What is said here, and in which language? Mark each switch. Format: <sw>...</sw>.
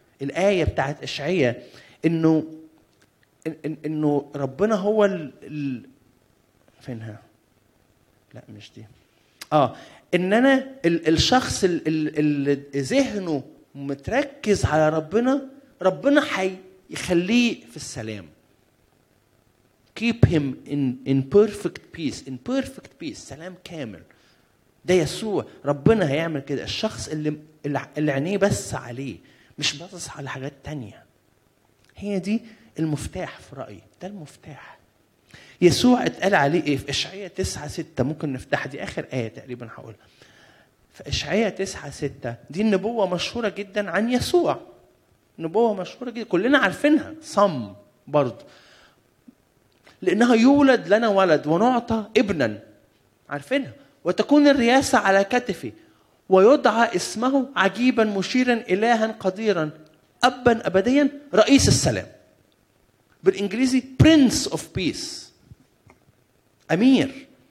<ar>الآية بتاعت إشعياء إنه ربنا هو فينها؟ لا مش دي. إن أنا الشخص اللي ذهنه متركز على ربنا، ربنا هيخليه في السلام.</ar> <en>Keep him in perfect peace. In perfect peace،</en> <ar>سلام كامل. ده يسوع، ربنا هيعمل كده. الشخص اللي عينيه بس عليه، مش باصص على حاجات تانية، هي دي المفتاح في رأيي، ده المفتاح. يسوع اتقال عليه ايه في اشعياء 9:6؟ ممكن نفتح دي اخر ايه تقريبا هقولها. في اشعياء 9:6 دي النبوه مشهوره جدا عن يسوع، نبوه مشهوره جدا كلنا عارفينها. صم برضو، لانها يولد لنا ولد ونعطى ابنا، عارفينها، وتكون الرياسه على كتفي، ويدعى اسمه عجيبا مشيرا الها قديرا ابا ابديا رئيس السلام. بالانجليزي</ar> <en>Prince of Peace،</en> <ar>امير.</ar>